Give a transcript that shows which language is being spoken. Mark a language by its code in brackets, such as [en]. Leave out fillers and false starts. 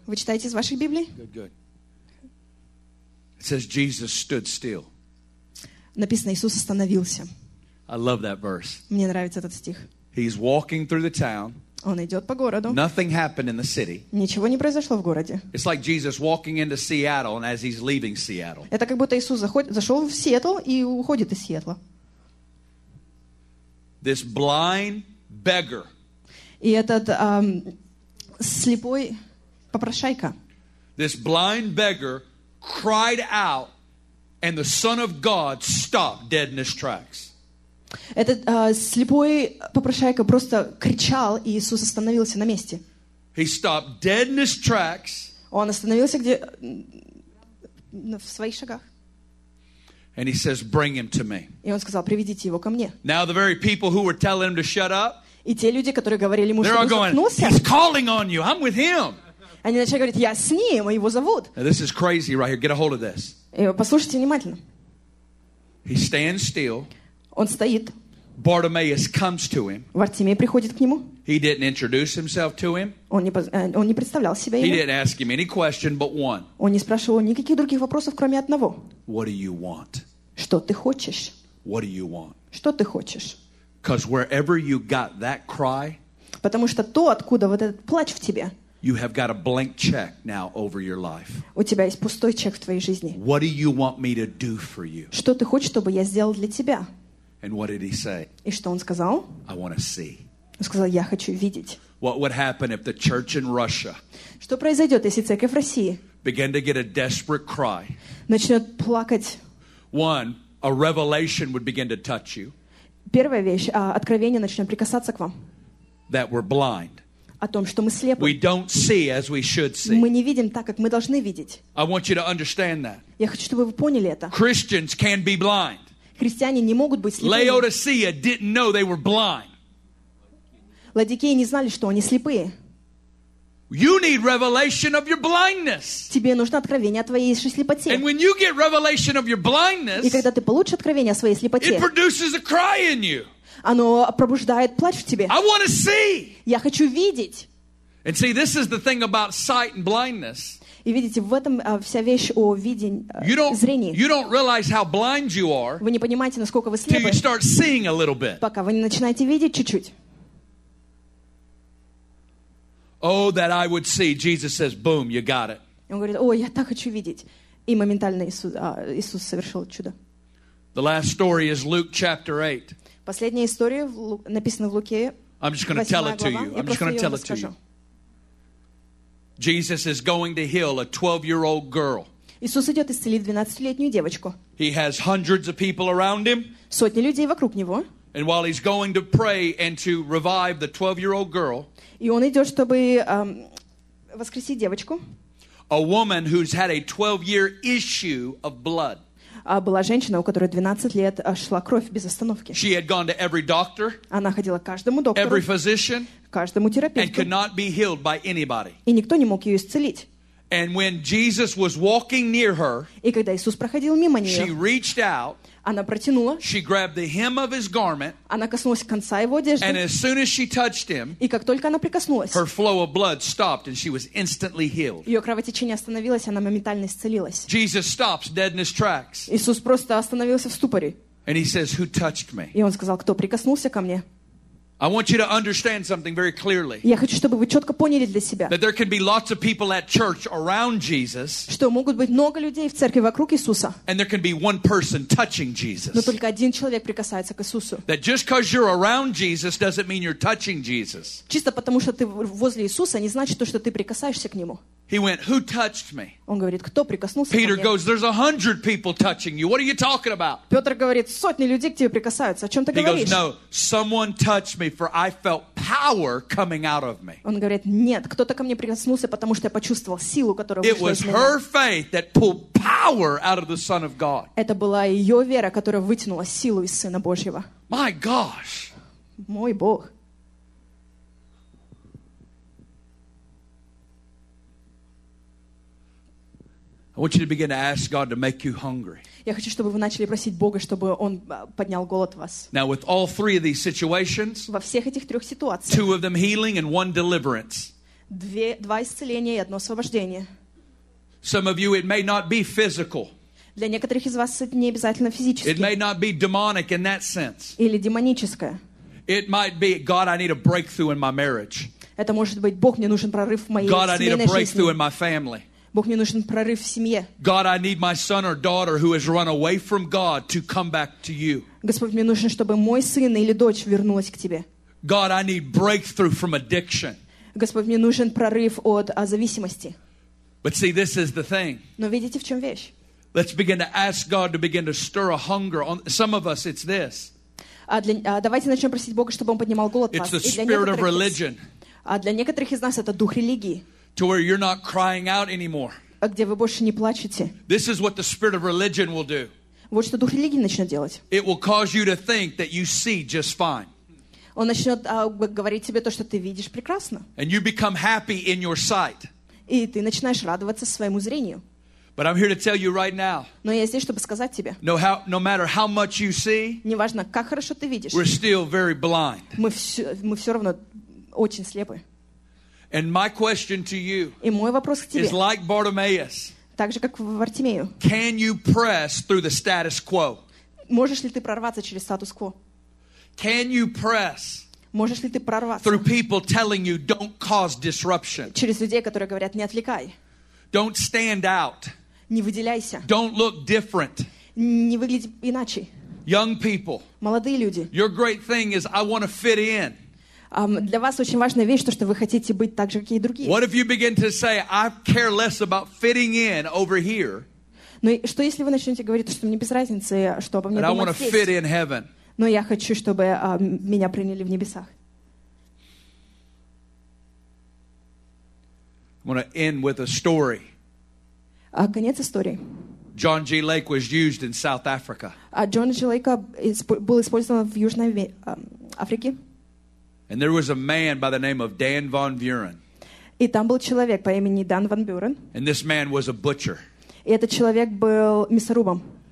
[ru] Вы читаете из вашей Библии? [en] Good, good. It says Jesus stood still. [ru] Написано, Иисус остановился. [en] I love that verse. [ru] Мне нравится этот стих. [en] He's walking through the town. [ru] Он идет по городу. [en] Nothing happened in the city. [ru] Ничего не произошло в городе. [en] It's like Jesus walking into Seattle, and as he's leaving Seattle. [ru] Это как будто Иисус зашел в Сиэтл и уходит из Сиэтла. [en] This blind beggar. [ru] И этот слепой попрошайка. [en] This blind beggar cried out, and the Son of God stopped dead in his tracks. [ru] Этот слепой попрошайка просто кричал, и Иисус остановился на месте. [en] He stopped dead in his tracks. [ru] Он остановился где в своих шагах. [en] And he says, "Bring him to me." [ru] И он сказал: "Приведите его ко мне." [en] Now the very people who were telling him to shut up. [ru] И те люди, которые говорили ему, чтобы он заткнулся. [en] He's calling on you. I'm with him. [ru] Они начали говорить: "Я с ним, его зовут." [en] Now this is crazy right here. Get a hold of this. [ru] И послушайте внимательно. [en] He stands still. [ru] Он стоит. [en] Bartimaeus comes to him. [ru] Вартимей приходит к нему. [en] He didn't introduce himself to him. [ru] Он не представлял себя ему. [en] He didn't ask him any question but one. [ru] Он не спрашивал никаких других вопросов, кроме одного. [en] What do you want? [ru] Что ты хочешь? [en] What do you want? [ru] Что ты хочешь? [en] Because wherever you got that cry, [ru] потому что то, откуда вот этот плач в тебе, [en] you have got a blank check now over your life. [ru] У тебя есть пустой чек в твоей жизни. [en] What do you want me to do for you? [ru] Что ты хочешь, чтобы я сделал для тебя? [en] And what did he say? [ru] И что он сказал? [en] I want to see. [ru] Он сказал, я хочу видеть. [en] What would happen if the church in Russia? [ru] Что произойдет, если церковь в России? [en] Began to get a desperate cry. [ru] Начнет плакать. [en] One, a revelation would begin to touch you. [ru] Первая вещь, откровение начнет прикасаться к вам. [en] That we're blind. [ru] О том, что мы слепы. [en] We don't see as we should see. [ru] Мы не видим так, как мы должны видеть. [en] I want you to understand that. [ru] Я хочу, чтобы вы поняли это. [en] Christians can be blind. [ru] Христиане не могут быть слепыми. [en] Laodicea didn't know they were blind. [ru] Ладикеи не знали, что они слепые. [en] You need revelation of your blindness. [ru] Тебе нужно откровение о твоей слепоте. [en] And when you get revelation of your blindness, [ru] и когда ты получишь откровение о своей слепоте, [en] it produces a cry in you. [ru] Оно пробуждает плач в тебе. [en] I want to see. [ru] Я хочу видеть. [en] And see, this is the thing about sight and blindness. [ru] И видите, в этом вся вещь о видении, зрении. [en] You don't realize how blind you are. [ru] Вы не понимаете, насколько вы слепы. [en] Till you start seeing a little bit. [ru] Пока вы не начинаете видеть чуть-чуть. [en] Oh, that I would see. Jesus says, boom, you got it. [ru] Он говорит, о, я так хочу видеть. И моментально Иисус совершил чудо. [en] The last story is Luke chapter 8. [ru] Последняя история написана в Луке. [en] I'm just going to tell it to you. I'm just going to tell it to you. Jesus is going to heal a 12-year-old girl. [ru] Иисус идет исцелить 12-летнюю девочку. [en] He has hundreds of people around him. [ru] Сотни людей вокруг него. [en] And while he's going to pray and to revive the 12-year-old girl, [ru] и он идет, чтобы воскресить девочку. [en] A woman who's had a 12-year issue of blood. [ru] Была женщина, у которой 12 лет шла кровь без остановки. [en] She had gone to every doctor. [ru] Она ходила к каждому доктору. [en] Every physician. [ru] Каждому терапевту. [en] And could not be healed by anybody. [ru] И никто не мог ее исцелить. [en] And when Jesus was walking near her, [ru] и когда Иисус проходил мимо нее, [en] she reached out. [ru] Она протянула. [en] She grabbed the hem of his garment. [ru] Она коснулась конца его одежды. [en] And as soon as she touched him, [ru] и как только она прикоснулась, [en] her flow of blood stopped and she was instantly healed. [ru] Ее кровотечение остановилось, она моментально исцелилась. [en] Jesus stops dead in his tracks. [ru] Иисус просто остановился в ступоре. [en] And he says, "Who touched me?" [ru] И он сказал, кто прикоснулся ко мне? [en] I want you to understand something very clearly. [ru] Я хочу, чтобы вы четко поняли для себя. [en] That there can be lots of people at church around Jesus. [ru] Что могут быть много людей в церкви вокруг Иисуса. [en] And there can be one person touching Jesus. [ru] Но только один человек прикасается к Иисусу. [en] That just because you're around Jesus doesn't mean you're touching Jesus. [ru] Чисто потому, что ты возле Иисуса, не значит то, что ты прикасаешься к нему. [en] He went, "Who touched me?" [ru] Он говорит, кто прикоснулся ко мне? [en] Peter goes, "There's 100 people touching you. What are you talking about?" [ru] Петр говорит, сотни людей к тебе прикасаются. О чем ты говоришь? [en] He goes, "No, someone touched me, for I felt power coming out of me." [ru] Он говорит, нет, кто-то ко мне прикоснулся, потому что я почувствовал силу, которая вышла из меня. [en] It was her faith that pulled power out of the Son of God. [ru] Это была ее вера, которая вытянула силу из Сына Божьего. [en] My gosh. [ru] Мой Бог. [en] I want you to begin to ask God to make you hungry. [ru] Я хочу, чтобы вы начали просить Бога, чтобы Он поднял голод в вас. [en] Now, with all three of these situations, [ru] во всех этих трех ситуациях, [en] two of them healing and one deliverance. [ru] Два исцеления и одно освобождение. [en] Some of you, it may not be physical. [ru] Для некоторых из вас это не обязательно физически. [en] It may not be demonic in that sense. [ru] Или демоническое. [en] It might be, God, I need a breakthrough in my marriage. [ru] Это может быть, Бог, мне нужен прорыв в моей семейной жизни. [en] God, I need a breakthrough in my family. [ru] Бог, мне нужен прорыв в семье. [en] God, I need my son or daughter who has run away from God to come back to you. [ru] Господь, мне нужно, чтобы мой сын или дочь вернулась к тебе. [en] God, I need breakthrough from addiction. [ru] Господь, мне нужен прорыв от зависимости. [en] But see, this is the thing. [ru] Но видите, в чем вещь? [en] Let's begin to ask God to begin to stir a hunger on some of us. It's this. [ru] Давайте начнем просить Бога, чтобы он поднимал голод в нас. [en] It's the spirit of religion. [ru] А для некоторых из нас это дух религии. [en] To where you're not crying out anymore. [ru] Где вы больше не плачете? [en] This is what the spirit of religion will do. [ru] Вот что дух религии начнет делать. [en] It will cause you to think that you see just fine. [ru] Он начнет говорить тебе то, что ты видишь прекрасно. [en] And you become happy in your sight. [ru] И ты начинаешь радоваться своему зрению. [en] But I'm here to tell you right now. [ru] Но я здесь, чтобы сказать тебе. [en] No matter how much you see. [ru] Неважно, как хорошо ты видишь. [en] We're still very blind. [ru] Мы все равно очень слепы. [en] And my question to you is like Bartimaeus. [ru] Так же, как в Бартимею. [en] Can you press through the status quo? [ru] Можешь ли ты прорваться через статус кво? [en] Can you press? [ru] Можешь ли ты прорваться? [en] Through people telling you don't cause disruption. [ru] Через людей, которые говорят, не отвлекай. [en] Don't stand out. [ru] Не выделяйся. [en] Don't look different. [ru] Не выгляди иначе. [en] Young people. [ru] Молодые люди. [en] Your great thing is I want to fit in. [ru] Для вас очень важная вещь, то, что вы хотите быть так же, как и другие. [en] What if you begin to say, I care less about fitting in over here? [ru] Но что если вы начнете говорить, что мне без разницы, что обо мне думают здесь? Но я хочу, чтобы меня приняли в небесах. [en] I want to end with a story. [ru] Конец истории. [en] John G. Lake was used in South Africa. [ru] John G. Lake был использован в Южной Африке. [en] And there was a man by the name of Dan Van Buren. [ru] И там был человек по имени Дан Ван Бюрен. [en] And this man was a butcher. [ru] И этот человек был мясорубом.